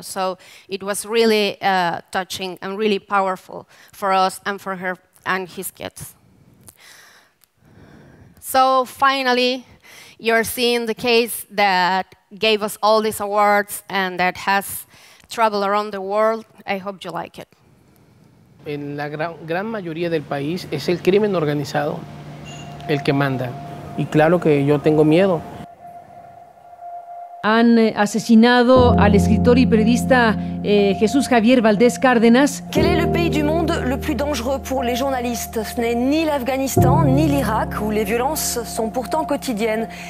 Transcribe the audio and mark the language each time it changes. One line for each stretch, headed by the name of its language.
English: So it was really touching and really powerful for us and for her and his kids. So finally, you're seeing the case that gave us all these awards and that has traveled around the world. I hope you like it.
Spanish: En la gran mayoría del país es el crimen organizado el que manda. Y claro que yo tengo miedo. Han asesinado al escritor y periodista Jesús Javier Valdés Cárdenas.
French: Quel est le pays du monde le plus dangereux pour les journalistes? Ce n'est ni l'Afghanistan ni l'Irak où les violences sont pourtant quotidiennes.